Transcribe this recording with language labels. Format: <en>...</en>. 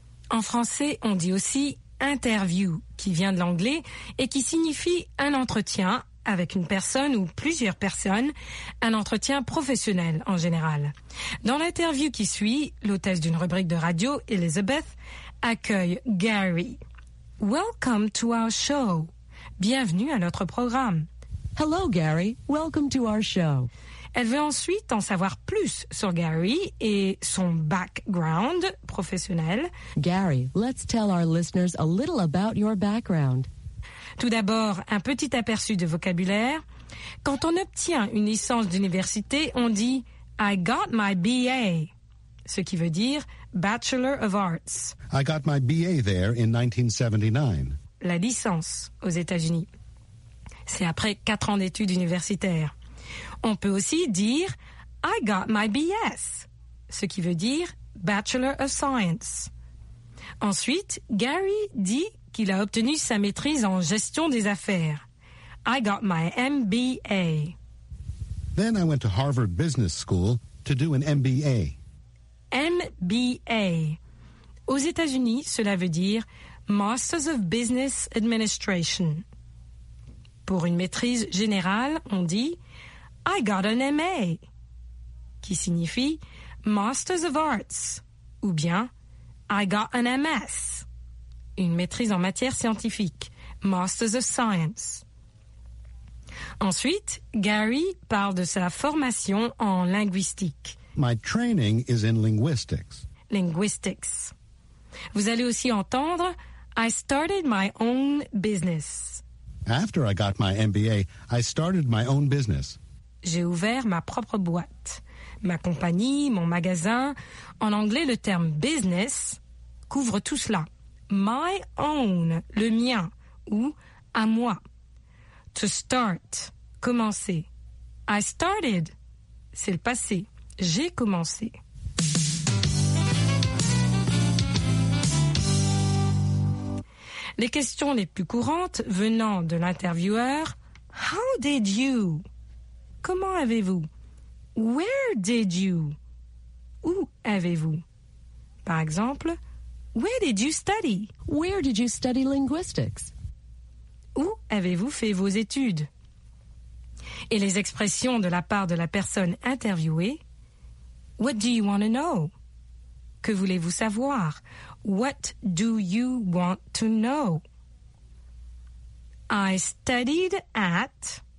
<fr>En français, on dit aussi interview, qui vient de l'anglais et qui signifie un entretien avec une personne ou plusieurs personnes, un entretien professionnel en général. Dans l'interview qui suit, l'hôtesse d'une rubrique de radio, Elizabeth, accueille Gary.</fr> <en>Welcome to our show.</en> <fr>Bienvenue à notre programme.</fr> <en>Hello Gary, welcome to our show.</en> <fr>Elle veut ensuite en savoir plus sur Gary et son background professionnel.</fr> <en>Gary, let's tell our listeners a little about your background.</en> <fr>Tout d'abord, un petit aperçu de vocabulaire. Quand on obtient une licence d'université, on dit</fr> <en>I got my BA,</en> <fr>ce qui veut dire</fr> <en>Bachelor of Arts. I got my BA there in 1979.</en> <fr>La licence aux États-Unis. C'est après 4 ans d'études universitaires. On peut aussi dire «</fr> <en>I got my BS</en> <fr>», ce qui veut dire «</fr> <en>Bachelor of Science ».</en> <fr>Ensuite, Gary dit qu'il a obtenu sa maîtrise en gestion des affaires.</fr> <en>« I got my MBA ». Then I went to Harvard Business School to do an MBA. MBA.</en> <fr>Aux États-Unis, cela veut dire «</fr> <en>Masters of Business Administration ».</en> <fr>Pour une maîtrise générale, on dit «</fr> <en>I got an MA</en> <fr>», qui signifie «</fr> <en>Masters of Arts</en> <fr>» ou bien «</fr> <en>I got an MS</en> <fr>», une maîtrise en matière scientifique, «</fr> <en>Masters of Science ».</en> <fr>Ensuite, Gary parle de sa formation en linguistique.</fr> <en>« My training is in linguistics ». Linguistics.</en> <fr>Vous allez aussi entendre «</fr> <en>I started my own business ». After I got my MBA, I started my own business.</en> <fr>J'ai ouvert ma propre boîte, ma compagnie, mon magasin. En anglais, le terme business couvre tout cela.</fr> <en>My own,</en> <fr>le mien, ou à moi.</fr> <en>To start,</en> <fr>commencer.</fr> <en>I started,</en> <fr>c'est le passé. J'ai commencé. Les questions les plus courantes venant de l'intervieweur.</fr> <en>How did you?</en> <fr>Comment avez-vous?</fr> <en>Where did you?</en> <fr>Où avez-vous? Par exemple,</fr> <en>where did you study? Where did you study linguistics?</en> <fr>Où avez-vous fait vos études? Et les expressions de la part de la personne interviewée.</fr> <en>What do you want to know?</en> <fr>Que voulez-vous savoir?</fr> <en>What do you want to know? I studied at...</en>